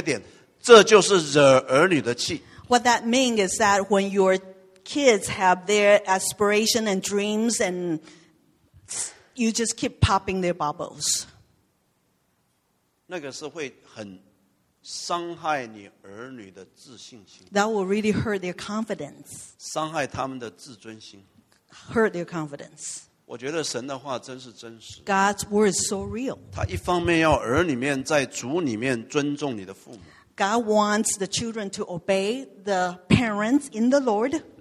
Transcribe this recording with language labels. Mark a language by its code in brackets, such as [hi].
[zh] 惹儿女的气就是你的儿女有这个梦想，有这个理想，有这个那，你老是浇冷水，老是讲负面的话，老是讲他的缺点，这就是惹儿女的气。 [en] What that means is that when you're kids have their aspiration and dreams, and you just keep popping their bubbles. [zh] 那个是会很伤害你儿女的自信心。 [en] That will really hurt their confidence. [zh] 伤害他们的自尊心。 [en] Hurt their confidence. [zh] 我觉得神的话真是真实。 [en] God's word is so real. [zh] 他一方面要儿女们在主里面尊重你的父母。 [en] God wants the children to obey the parents in the Lord.